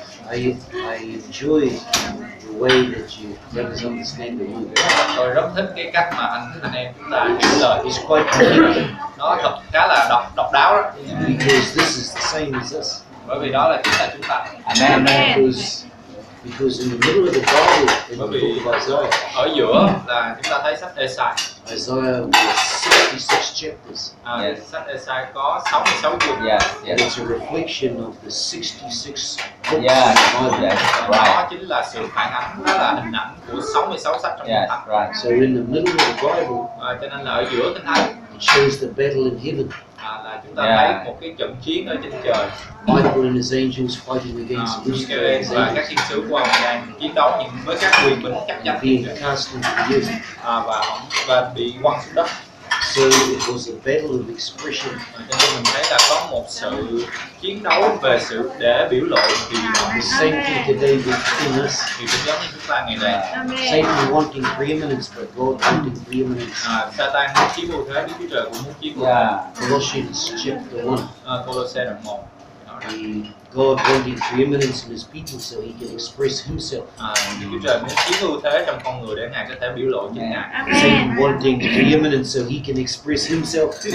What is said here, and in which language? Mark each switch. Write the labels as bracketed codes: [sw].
[en] I enjoy the way that you represent this name. [vi] Tôi rất thích cái cách mà anh em chúng ta hiểu lời. Nó thật khá là độc đáo đó. [en] Because this is the same as us. [vi] Bởi vì đó là chính là chúng ta. [en] Amen. Because in the middle of the Bible, in the book of Isaiah, [vi] ở giữa là chúng ta thấy sách Esaia. [en] Isaiah was 66 chapters. [vi] Sách Esaia có 66 chương. [en] And it's a reflection of the 66 books. Right. [vi] Đó chính là sự phản ánh, đó là hình ảnh của 66 sách trong Kinh Thánh. [en] Right. So in the middle of the Bible, [vi] cho nên là ở giữa Kinh Thánh, [en] it shows the battle in heaven. [vi] Là chúng ta thấy một cái trận chiến ở trên trời. [en] Michael and his angels fighting against Lucifer. [vi] Các thiên sứ của ông đang chiến đấu những với các quyền bính chấp nhận [en] being cast into the earth. [vi] Và bị quăng xuống đất. [en] So it was a battle of expression. [vi] Cho nên mình thấy là có một sự chiến đấu về sự để biểu lộ vì [en] the same thing today within us. [vi] Thì cũng giống như chúng ta ngày nay. [en] Satan wanting preeminence, but God wanting preeminence. [vi] Satan muốn chiếm ưu thế, Đức Chúa Trời cũng muốn chiếm ưu thế. [en] Colossians chapter 1. [vi] Colossae đoạn 1. [en] God wanting preeminence in His people so He can express Himself. [vi] Đức Chúa Trời muốn chiếm ưu thế trong con người để Ngài có thể biểu lộ chính Ngài. [en] Satan wanting preeminence so He can express Himself.